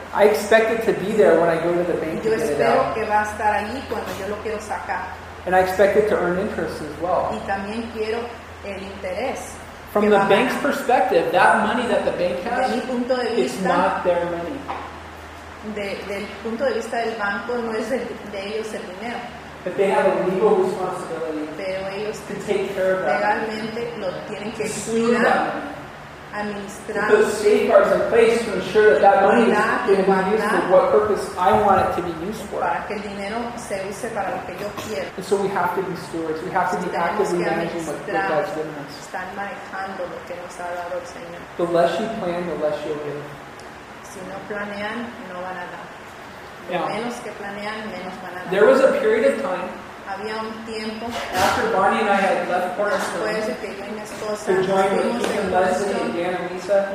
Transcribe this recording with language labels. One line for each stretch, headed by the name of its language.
English: I expect it to be there when I go to the bank
Spanish: yo
English: to get
Spanish: espero
English: it out.
Spanish: Que va a estar allí cuando yo lo quiero sacar.
English: And I expect it to earn interest as well.
Spanish: Y también quiero el interés.
English: From the bank's perspective, that money that the bank has,
Spanish: de mi punto de vista,
English: it's not their money.
Spanish: Del punto de vista del banco, no es de ellos el dinero.
English: But they have a legal responsibility to take care of that.
Spanish: Lo tienen que cuidar,
English: to put safeguards in place to ensure that that money is going to be used for what purpose I want it to be used for.
Spanish: Para que el dinero se use para lo que yo quiero.
English: And so we have to be stewards. We have to be actively managing what God's given us.
Spanish: Están manejando lo que nos ha dado el Señor.
English: The less you plan, the less you'll give.
Spanish: Si no planean, no van a dar.
English: There was a period of time
Spanish: había un tiempo
English: after Barney and I had left Cornerstone to join Keith and Leslie and Dan and Lisa